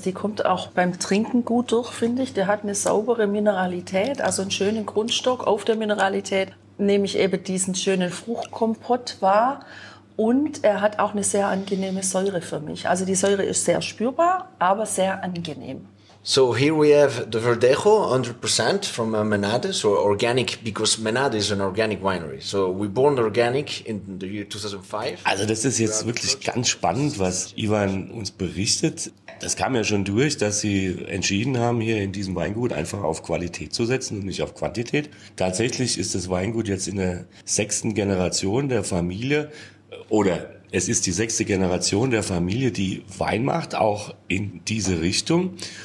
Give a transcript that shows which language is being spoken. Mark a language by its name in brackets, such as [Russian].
[German] Die kommt auch beim Trinken gut durch, finde ich. Der hat eine saubere Mineralität, also einen schönen Grundstock auf der Mineralität. Nehme ich eben diesen schönen Fruchtkompott wahr. Und er hat auch eine sehr angenehme Säure für mich. Also die Säure ist sehr spürbar, aber sehr angenehm. [English] So here we have the Verdejo 100% from Menade, so organic, because Menade is an organic winery. So we born organic in the year 2005. [German] Also das ist jetzt wirklich ganz spannend, was Ivan uns berichtet. Das kam ja schon durch, dass sie entschieden haben, hier in diesem Weingut einfach auf Qualität zu setzen und nicht auf Quantität. Tatsächlich ist das Weingut jetzt in der sechsten Generation der Familie, oder es ist die sechste Generation der Familie, die Wein macht, auch in diese Richtung.